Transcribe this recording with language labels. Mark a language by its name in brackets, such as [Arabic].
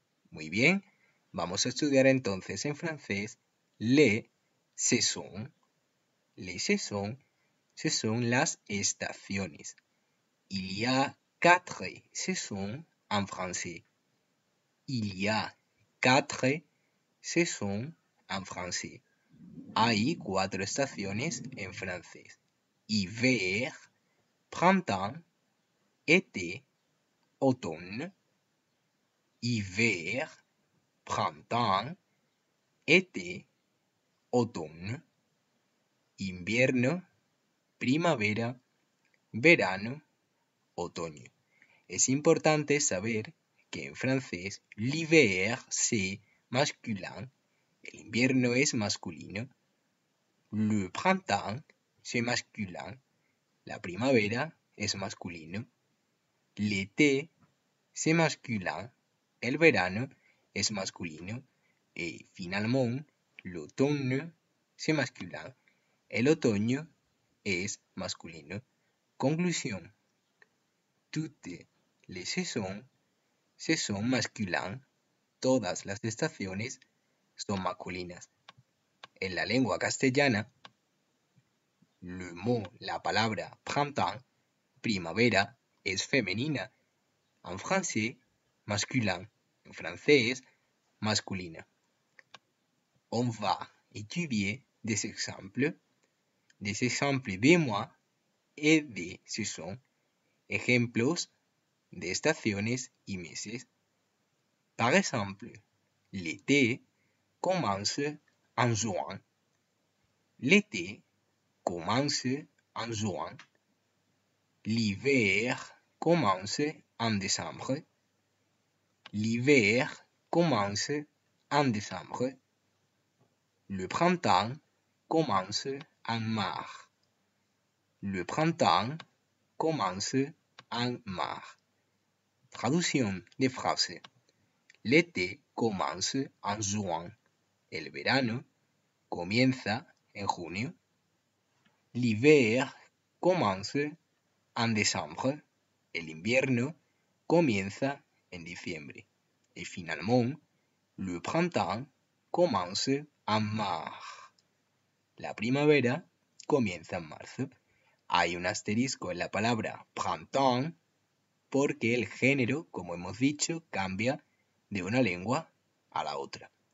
[Spanish] Muy bien, vamos a estudiar entonces en francés [French] les saisons. Les saisons, ce sont [Spanish] las estaciones. [French] Il y a quatre saisons en français. Il y a quatre saisons en français. [Spanish] Hay cuatro estaciones en francés. [French] Hiver, printemps, été, automne. Hiver, printemps, été, automne. [Spanish] Invierno, primavera, verano, otoño. Es importante saber que en francés [French] l'hiver c'est masculin, [Spanish] el invierno es masculino, [French] le printemps c'est masculin, [Spanish] la primavera es masculino, [French] l'été c'est masculin, [Spanish] el verano es masculino, y [French] finalement l'automne c'est masculin, [Spanish] el otoño es masculino. Conclusión. [French] Toutes les saisons se sont masculines. [Spanish] Todas las estaciones son masculinas. En la lengua castellana, [French] le mot, [Spanish] la palabra printemps, primavera, es femenina. [French] En français, masculin. [Spanish] En francés, masculina. [French] On va étudier des exemples de mois et de saisons. [Spanish] Ejemplos de estaciones y meses. [French] Par exemple, l'été commence en juin. L'été commence en juin. L'hiver commence en décembre. L'hiver commence en décembre. Le printemps commence en mars. Le printemps commence en mar. [Spanish] Traducción de frase. [French] L'été commence en juin. [Spanish] El verano comienza en junio. [French] L'hiver commence en décembre. [Spanish] El invierno comienza en diciembre. Y finalmente, [French] le printemps commence en mars. [Spanish] La primavera comienza en marzo. Hay un asterisco en la palabra printemps porque el género, como hemos dicho, cambia de una lengua a la otra.